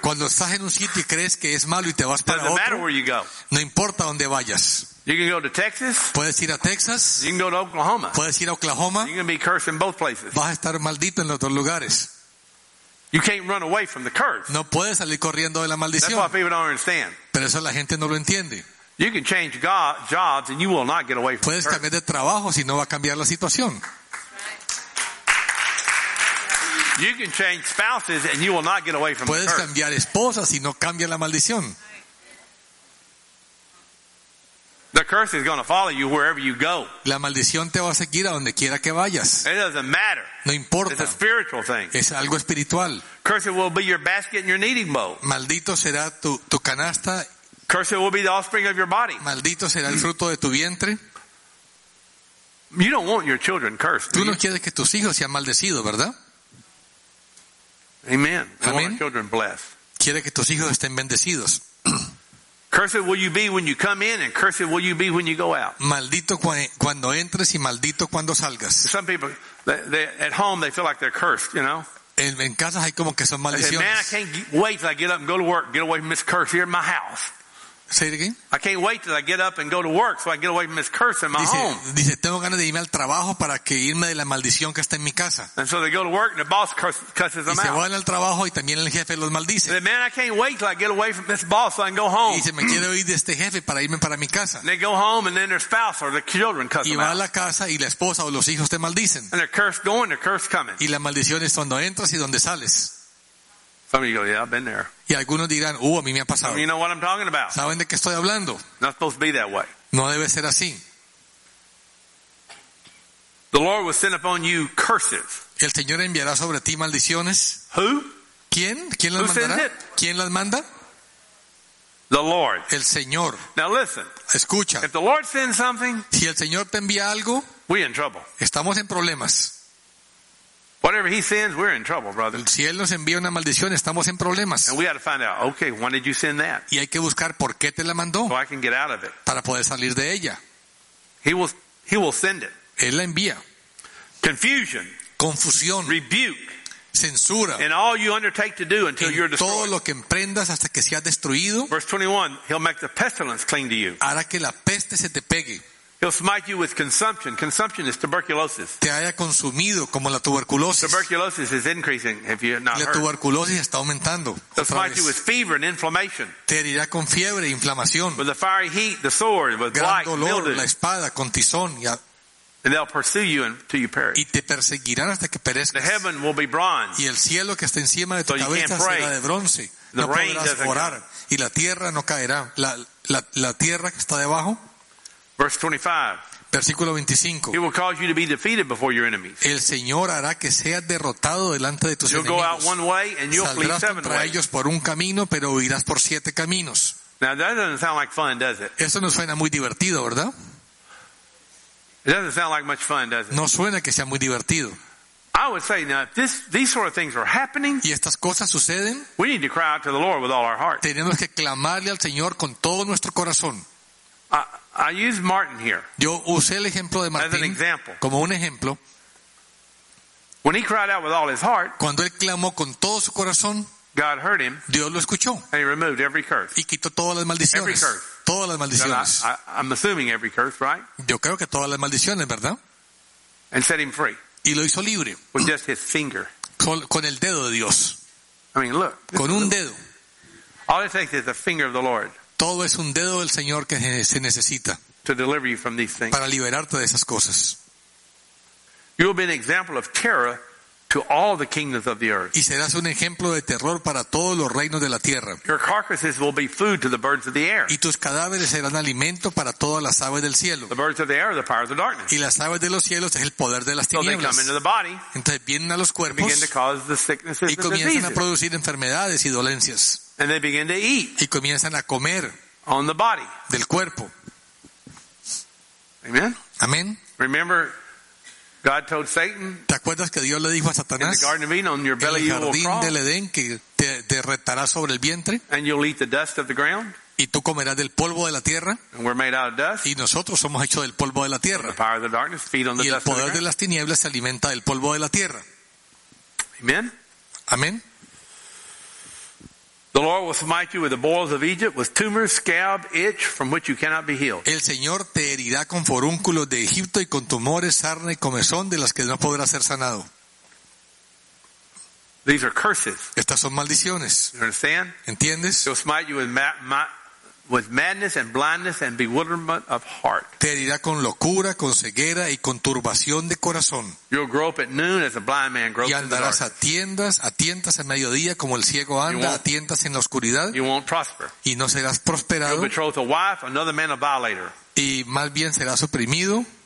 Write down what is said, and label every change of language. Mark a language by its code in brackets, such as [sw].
[es] Cuando estás en un sitio y crees que es malo y te vas para otro. [en] Doesn't matter where you go. [es] No importa dónde vayas. [en] You can go to Texas. [es] Puedes ir a Texas. [en] You can go to Oklahoma. [es] Puedes ir a Oklahoma. [en] You can be cursed in both places. [es] Vas a estar maldito en los dos lugares. [en] You can't run away from the curse. [es] No puedes salir corriendo de la maldición. [en] That's why people don't understand. [es] Pero eso la gente no lo entiende. [en] You can change jobs and you will not get away from [es] puedes [en] the curse. [es] Puedes cambiar de trabajo si no va a cambiar la situación. [en] You can change spouses and you will not get away from [es] puedes [en] the curse. [es] Puedes cambiar esposas si no cambia la maldición. [en] The curse is going to follow you wherever you go. [es] La maldición te va a seguir a donde quiera que vayas. [en] It doesn't matter. [es] No importa. [en] It's a spiritual thing. [es] Es algo espiritual. [en] Cursed will be your basket and your kneading bowl. [es] Maldito será tu canasta. [en] Cursed will be the offspring of your body. [es] Maldito será el fruto de tu vientre. [en] You don't want your children cursed. [es] Tú no quieres que tus hijos sean maldecidos, ¿verdad? [en] Amen. Amen. We want our children blessed. [es] Quiere que tus hijos estén bendecidos. [en] Cursed will you be when you come in, and cursed will you be when you go out. [es] Maldito cuando entres y maldito cuando salgas. [en] Some people they, at home they feel like they're cursed, you know. [es] En casa hay como que son maldiciones. [en] Man, I can't wait till I get up and go to work, get away from this curse here in my house. Say it again. I can't wait till I get up and go to work so I get away from this curse in my home. [es] Dice, tengo ganas de irme al trabajo para que irme de la maldición que está en mi casa. [en] And so they go to work and the boss curses them out. [es] Dice, van al trabajo y también el jefe los maldice. [en] Say, man, I can't wait till I get away from this boss so I can go home. [es] Dice, me quiero ir de este jefe para irme para mi casa. [en] And they go home and then their spouse or the children curse them out. [es] Y va a la casa y la esposa o los hijos te maldicen. [en] And they're cursed going, they're cursed coming. [es] Y la maldición es donde entras y donde sales. [en] Some of you go, yeah, I've been there. [es] Y algunos dirán, a mí me ha pasado. [en] You know what I'm talking about. [es] ¿Saben de qué estoy hablando? [en] Not supposed to be that way. [es] No debe ser así. [en] The Lord will send upon you curses. [es] El Señor enviará sobre ti maldiciones. [en] Who? [es] ¿Quién? ¿Quién las [en] Who [es] mandará? [en] Sends it? [es] ¿Quién las manda? [en] The Lord. [es] El Señor. [en] Now listen. [es] Escucha. [en] If the Lord sends something, [es] si el Señor te envía algo, [en] we're in trouble. [es] Estamos en problemas. [en] Whatever he sends, we're in trouble, brother. [es] Si él nos envía una maldición, estamos en problemas. [en] And we got to find out, okay, when did you send that? [es] Y hay que buscar por qué te la mandó. [en] So I can get out of it. [es] Para poder salir de ella. [en] He will send it. [es] Él la envía. [en] Confusion. [es] Confusión. [en] Rebuke. [es] Censura. [en] And all you undertake to do until you're destroyed. [es] Todo lo que emprendas hasta que seas destruido. [en] Verse 21, he'll make the pestilence cling to you. [es] Hará que la peste se te pegue. [en] He'll smite you with consumption. Consumption is tuberculosis. [es] Te haya consumido como la tuberculosis. [en] Tuberculosis is increasing if you're not [es] La tuberculosis [en] hurt. [es] Está aumentando. [en] He'll smite you with fever and inflammation. [es] Te herirá con fiebre e inflamación. [en] With the fiery heat, the sword, with [es] Gran [en] blight, [es] dolor, [en] mildew. [es] La espada, con tizón. [en] And they'll pursue you until you perish. [es] Y te perseguirán hasta que perezcas. [en] The heaven will be bronze. [es] Y el cielo que está encima de tu [en] so [es] cabeza será [en] pray. [es] De bronce. [en] The [es] no [en] rain [es] podrás orar. Y la tierra no caerá. La tierra que está debajo. [en] Verse 25. [es] Versículo 25. [en] He will cause you to be defeated before your enemies. [es] El Señor hará que seas derrotado delante de tus enemigos. [en] You'll go out one way and you'll flee seven ways. [es] Saldrás contra ellos por un camino, pero huirás por siete caminos. [en] Now that doesn't sound like fun, does it? [es] Eso no suena muy divertido, ¿verdad? [en] It doesn't sound like much fun, does it? [es] No suena que sea muy divertido. [en] I would say now if these sort of things are happening, [es] y estas cosas suceden, [en] we need to cry out to the Lord with all our heart. [es] Tenemos que clamarle al Señor con todo nuestro corazón. [en] I use Martin here. [es] Yo usé el ejemplo de Martín [en] as an example. [es] Como un ejemplo. [en] When he cried out with all his heart, [es] cuando él clamó con todo su corazón, [en] God heard him. [es] Dios lo escuchó. [en] And he removed every curse. [es] Y quitó todas las maldiciones. [en] Every curse. [es] Todas las maldiciones. [en] I'm assuming every curse, right? [es] Yo creo que todas las maldiciones, ¿verdad? [en] And set him free. [es] Y lo hizo libre. [en] With just his finger. [es] Con el dedo de Dios. [en] I mean, look. [es] Con un dedo. [en] All it takes is the finger of the Lord. [es] Todo es un dedo del Señor que se necesita [en] to deliver you from these things. [es] Para liberarte de esas cosas. [en] You will be an example of terror to all the kingdoms of the earth. [es] Y serás un ejemplo de terror para todos los reinos de la tierra. [en] Your carcasses will be food to the birds of the air. [es] Y tus cadáveres serán alimento para todas las aves del cielo. [en] The birds of the air are the power of the darkness. [es] Y las aves de los cielos es el poder de las tinieblas. [en] So they come into the body. [es] Entonces vienen a los cuerpos. [en] Begin to cause the sicknesses [es] y comienzan [en] the diseases. [es] A producir enfermedades y dolencias. [en] And they begin to eat. [es] Y comienzan a comer [en] on the body. [es] Del cuerpo. [en] Amen. [es] Amen. [en] Remember, God told Satan. [es] ¿Te acuerdas que Dios le dijo a Satanás? [en] In the Garden of Eden, on your belly you will crawl. [es] En el jardín del Edén que te retará sobre el vientre. [en] And you'll eat the dust of the ground. [es] Y tú comerás del polvo de la tierra. [en] And we're made out of dust. [es] Y nosotros somos hechos del polvo de la tierra. [en] And the power of the darkness feed on the dust. [es] Y el poder de las tinieblas se alimenta del polvo de la tierra. [en] Amen. [es] Amen. [en] The Lord will smite you with the boils of Egypt, with tumors, scab, itch, from which you cannot be healed. [es] El Señor te herirá con forúnculos de Egipto y con tumores, sarna y comezón de las que no podrás ser sanado. [en] These are curses. [es] Estas son maldiciones. [en] You understand? [es] ¿Entiendes? [en] He'll smite you with madness and blindness and bewilderment of heart. [es] Te herirá con locura, con ceguera y con turbación de corazón. [en] You'll grope at noon as a blind man gropes in the dark. [es] Y andarás a tientas a mediodía como el ciego anda, a tientas en la oscuridad. [en] You won't prosper. [es] Y no serás prosperado. [en] You'll betroth a wife, another man a violator. [es] Y más bien serás oprimido.